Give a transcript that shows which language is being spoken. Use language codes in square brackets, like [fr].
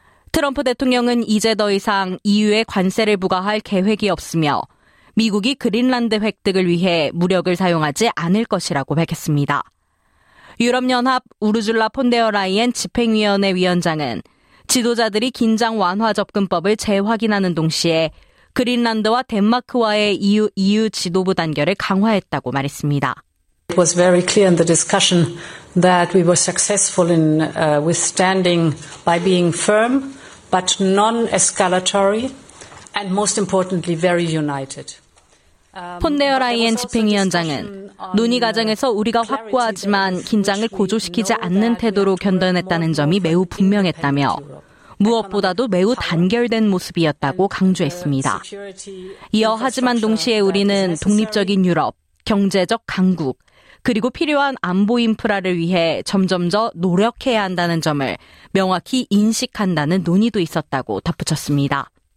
[ko] 트럼프 대통령은 이제 더 이상 EU에 관세를 부과할 계획이 없으며 미국이 그린란드 획득을 위해 무력을 사용하지 않을 것이라고 밝혔습니다. 유럽연합 우르줄라 폰데어라이엔 집행위원회 위원장은 지도자들이 긴장 완화 접근법을 재확인하는 동시에 그린란드와 덴마크와의 EU 지도부 단결을 강화했다고 말했습니다. [en] It was very clear in the discussion that we were successful in withstanding by being firm, but non-escalatory, and most importantly, very united. [ko] 폰 네어라이엔 집행위원장은 논의 과정에서 우리가 확고하지만 긴장을 고조시키지 않는 태도로 견뎌냈다는 점이 매우 분명했다며 무엇보다도 매우 단결된 모습이었다고 강조했습니다. 이어 하지만 동시에 우리는 독립적인 유럽, 경제적 강국, 그리고 필요한 안보 인프라를 위해 점점 더 노력해야 한다는 점을 명확히 인식한다는 논의도 있었다고 덧붙였습니다.